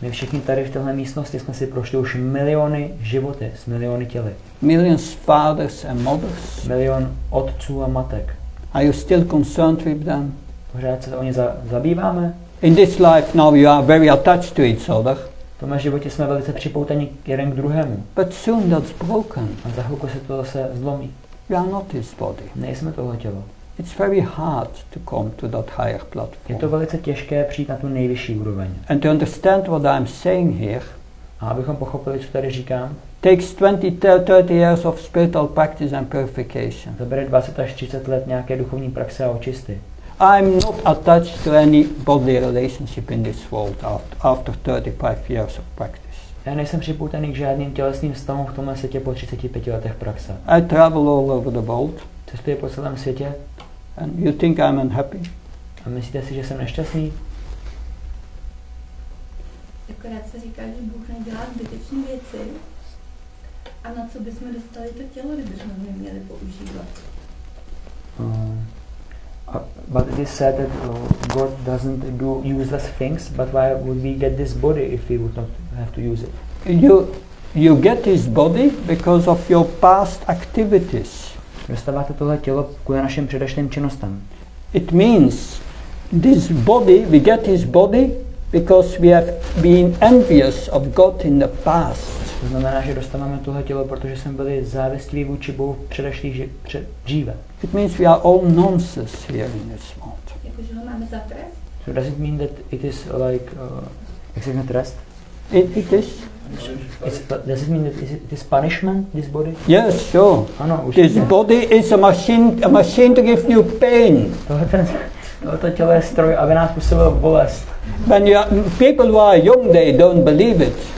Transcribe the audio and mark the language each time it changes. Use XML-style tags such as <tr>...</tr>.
<cs>My všichni tady v téhle místnosti jsme si prošli už miliony životy s miliony těly.</cs> <en>Millions fathers and mothers.</en> <cs>Milion otců a matek.</cs> <en>Are you still concerned with them?</en> <cs>Pořád se o ně zabýváme?</cs> <en>In this life now you are very attached to each other.</en> <cs>V tomhle životě jsme velice připoutaní jeden k druhému.</cs> <en>But soon that's broken.</en> <cs>A za chvilku se to zase zlomí.</cs> <en>We are not this body.</en> <cs>Nejsme tohle tělo.</cs> <en>It's very hard to come to that higher platform.</en> <cs>Je to velice těžké přijít na tu nejvyšší úroveň.</cs> <en>And to understand what I'm saying here.</en> <cs>A abychom pochopili, co tady říkám.</cs> <en>Takes 20-30 years of spiritual practice and purification.</en> <cs>Zabere 20 až 30 let nějaké duchovní praxe a očisty.</cs> <en>I'm not attached to any bodily relationship in this world after 35 years of practice.</en> <cs>Já nejsem připoutaný k žádným tělesným vztahům v tomhle světě po 35 letech praxe.</cs> <en>I travel all over the world.</en> <cs>Cestuje po celém světě.</cs> <en>And you think I'm unhappy?</en> <cs>A myslíte si, že jsem nešťastný? Akorát se říká, že Bůh nedělá zbytečné věci. A na co bychom dostali to tělo, kdybychom ho neměli používat?</cs> <en>But it is said that God doesn't do useless things, but why would we get this body if we would not have to use it? You get this body because of your past activities.</en> <cs>Dostáváte tohle tělo kvůli našim předešlým činnostem.</cs> <en>It means this body, we get his body because we have been envious of God in the past.</en> <cs>To znamená, že dostáváme tohle tělo, protože jsme byli závislí vůči Bohu v předešlých dříve.</cs> <en>It means we are all nonsense here in this world.</en> <cs>Jakože ho máme za trest?</cs> <en>So does it mean that it is like,</en> <cs>jak se říká trest?</cs> <en>It is. Does it mean that this punishment, this body? Yes, sure.</en> <cs>Ano,</cs> <en>this body is a machine to give you pain.</en> <cs>To tělo je stroj, aby nás působilo bolest.</cs> <en>When people who are young, they don't believe it.</en>